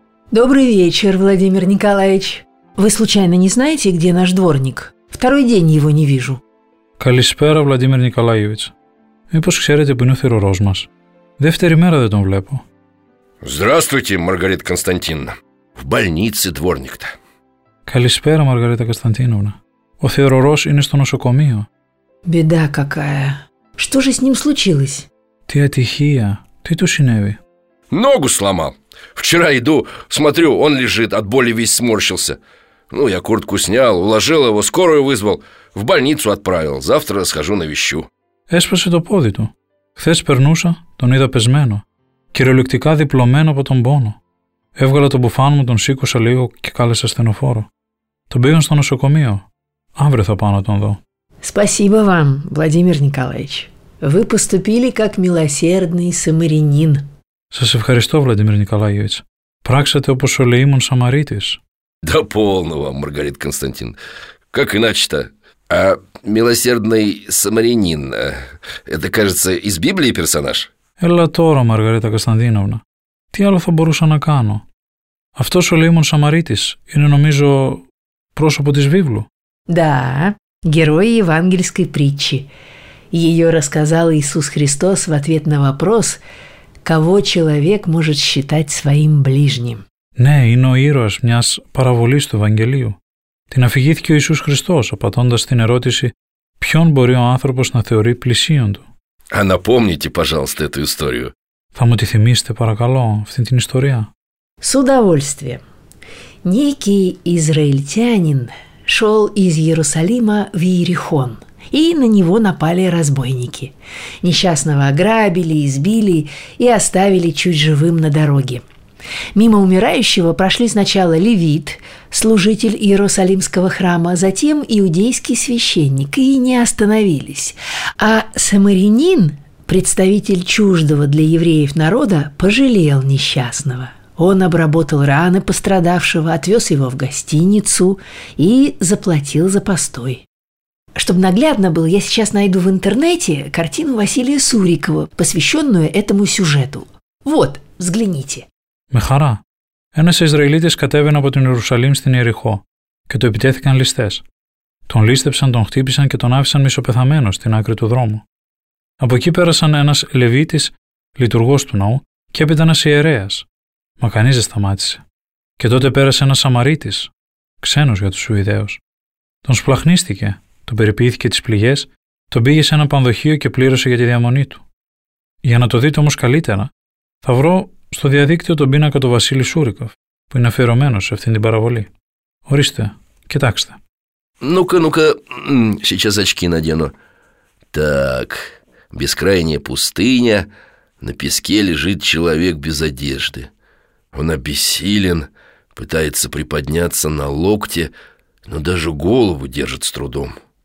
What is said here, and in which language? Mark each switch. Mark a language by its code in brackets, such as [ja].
[ru] Добрый вечер, Владимир Николаевич. Вы случайно не знаете, где наш дворник? Второй день его не вижу. [el] Καλησπέρα, Владимир Николаевич. Μήπως ξέρετε που είναι ο θηρωρός μας? Δεύτερη μέρα δεν τον βλέπω. [ru] Здравствуйте, Маргарита Константиновна. В больнице дворник-то. [el] Καλησπέρα, Маргарита Константиновна. Ο Θεωρορός είναι στο νοσοκομείο. [ru] Беда какая. Что же с ним случилось? [el] Τι ατυχία. Τι του συνέβη? [ru] Ногу сломал. Вчера иду, смотрю, он лежит, от боли весь сморщился. Ну, я куртку снял, уложил его, скорую вызвал, в больницу отправил. Завтра схожу навещу. [el] Έσπασε το πόδι του. Χθες περνούσα, τον είδα πεσμένο. Κυριολεκτικά διπλωμένο από τον πόνο. Έβγαλα τον μπουφάν μου, τον σήκωσα λίγο και κάλεσα ασθενοφόρο. Τον πήγαν στο νοσοκομείο. Αύριο θα πάω να τον δω. [ru] Спасибо вам, Владимир Николаевич. Вы поступили как милосердный самарянин. [el] Σας ευχαριστώ, Владимир Николаевич. Πράξατε όπως ο Ελεήμων Σαμαρίτης. [ru] Да полно вам, Маргарита Константин. Как иначе-то? А милосердный самарянин, это, кажется, из Библии персонаж? [el] Έλα τώρα, Μαργαρίτα Κωνσταντίνοβνα. Τι άλλο θα μπορούσα να κάνω? Αυτός ο Ελεήμων Σαμαρίτης είναι, νομίζω, πρόσωπο της Βίβλου. [ru] Да, герой евангельской притчи. Ее рассказал Иисус Христос в ответ на вопрос, кого человек может считать своим ближним. [el] Ναι, είναι ο ήρωας μιας παραβολής του Ευαγγελίου. Την αφηγήθηκε ο Ιησούς Χριστός, απαντώντας την ερώτηση ποιον μπορεί ο άνθρωπος να θεωρεί πλησίον του. [ru] А напомните, пожалуйста, эту историю. [el] Θα μου τη θυμίσετε, παρακαλώ, αυτή την ιστορία. [ru] С удовольствием. Некий израильтянин шел из Иерусалима в Иерихон, и на него напали разбойники. Несчастного ограбили, избили и оставили чуть живым на дороге. Мимо умирающего прошли сначала левит, служитель Иерусалимского храма, затем иудейский священник, и не остановились. А самарянин, представитель чуждого для евреев народа, пожалел несчастного. Он обработал раны пострадавшего, отвез его в гостиницу и заплатил за постой. Чтобы наглядно было, я сейчас найду в интернете картину Василия Сурикова, посвященную этому сюжету. Вот, взгляните. [el] Με χαρά. Ένας Ισραηλίτης κατέβαινε από την Ιερουσαλήμ στην Ιεριχώ και το επιτέθηκαν ληστές. Τον λίστεψαν, τον χτύπησαν και τον άφησαν μισοπεθαμένο στην άκρη του δρόμου. Από εκεί πέρασαν ένας Λεβίτης, λειτουργός του ναού, και έπειτα ένας ιερέας. Μα κανείς δεν σταμάτησε. Και τότε πέρασε ένας Σαμαρίτης, ξένος για τους Ιουδαίους. Τον σπλαχνίστηκε, τον περιποιήθηκε τις πληγές, τον πήγε σε ένα πανδοχείο και πλήρωσε για τη διαμονή του. Για να το δείτε όμως καλύτερα, θα βρω στο διαδίκτυο τον πίνακα του Βασίλη Σούρικοφ, που είναι αφιερωμένος σε αυτήν την παραβολή. Ορίστε, κοιτάξτε. [ru] Ну-ка, ну-ка, сейчас очки надену. Так, бескрайняя пустыня, на песке лежит человек без одежды. Он обессилен, пытается приподняться на локте, но даже голову держит с трудом.